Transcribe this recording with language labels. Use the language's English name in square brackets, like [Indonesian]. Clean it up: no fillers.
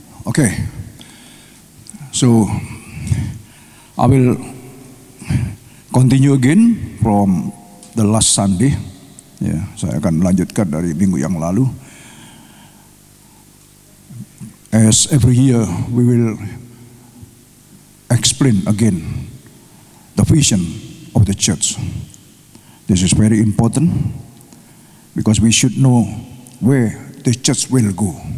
[English] Okay, so I will continue again from the last Sunday. [Indonesian] Ya, saya akan lanjutkan dari minggu yang lalu. [English] As every year, we will explain again the vision of the church. This is very important because we should know where the church will go.